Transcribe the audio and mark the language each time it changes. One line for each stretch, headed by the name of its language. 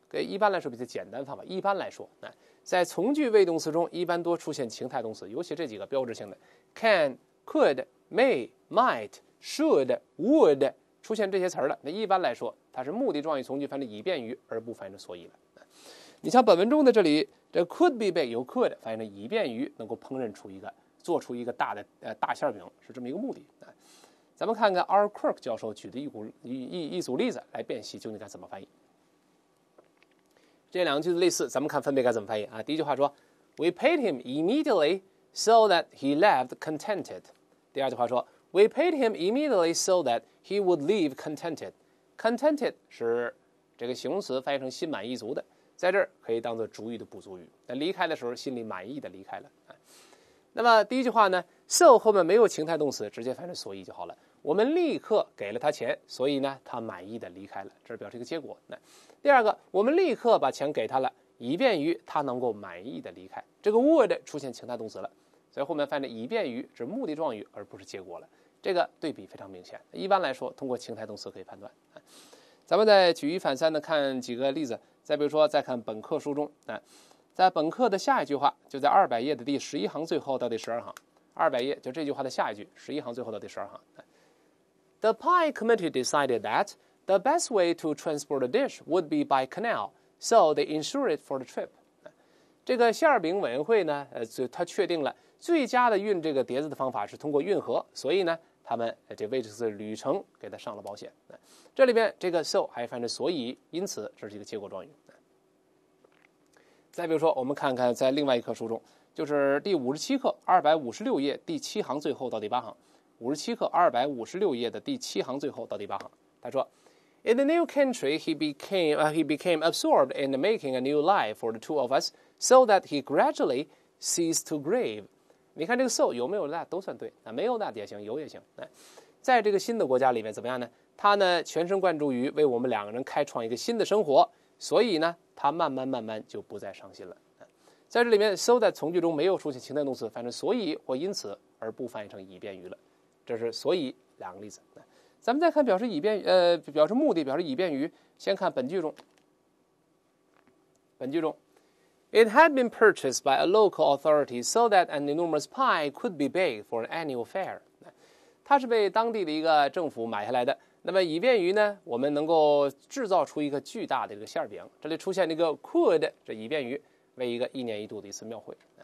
Chinese: 给一般来说比较简单方法，一般来说在从句谓语动词中一般多出现情态动词，尤其这几个标志性的
English: can could may might should would，
Chinese: 出现这些词儿了，那一般来说它是目的状语从句，翻译以便于而不翻译成所以了。你像本文中的这里这
English: could be baked
Chinese: 由 could 翻译成以便于能够烹饪出一个做出一个大的大馅饼，是这么一个目的。咱们看看 R. Kirk 教授举的一组例子来辨析究竟该怎么翻译。这两句子类似，咱们看分别该怎么翻译啊。第一句话说
English: We paid him immediately so that he left contented。
Chinese: 第二句话说
English: We paid him immediately so that he would leave contented.
Chinese: Contented 是这个形容词翻译成心满意足的，在这儿可以当做主语的补足语。那离开的时候心里满意的离开了。那么第一句话呢 ，so 后面没有情态动词，直接翻译成所以就好了。我们立刻给了他钱，所以呢他满意的离开了，这是表示一个结果。那第二个，我们立刻把钱给他了，以便于他能够满意的离开。这个 would 出现情态动词了。所以后面翻译以便于指目的状语而不是结果了，这个对比非常明显。一般来说通过情态动词可以判断。咱们再举一反三的看几个例子，再比如说再看本课书中，在本课的下一句话就在200页的第11行最后到第12行，200页就这句话的下一句11行最后到第12行。
English: The Pie Committee decided that the best way to transport the dish would be by canal, so they insured it for the trip.
Chinese: 这个馅饼委员会呢他确定了最佳的运这个碟子的方法是通过运河，所以呢他们这位置是旅程给他上了保险。这里边这个 so 还翻译所以，因此这是一个结果状语。再比如说我们看看在另外一课书中，就是第57课256页第7行最后到第8行，57课256页的第7行最后到第8行，他说
English: In the new country he became absorbed in making a new life for the two of us so that he gradually ceased to grieve。
Chinese: 你看这个 so 有没有 that 都算对，那没有 that 也行，有也行。在这个新的国家里面怎么样呢？他呢全神贯注于为我们两个人开创一个新的生活，所以呢他慢慢慢慢就不再伤心了。在这里面 so 在从句中没有出现情态动词，翻译所以或因此，而不翻译成以便于了。这是所以两个例子。咱们再看表示以便表示目的，表示以便于，先看本句中。本句中。
English: It had been purchased by a local authority so that an enormous pie could be baked for an annual fair.
Chinese: 它是被当地的一个政府买下来的，那么以便于呢我们能够制造出一个巨大的这个馅饼。这里出现这个 could， 这以便于为一个一年一度的一次庙会。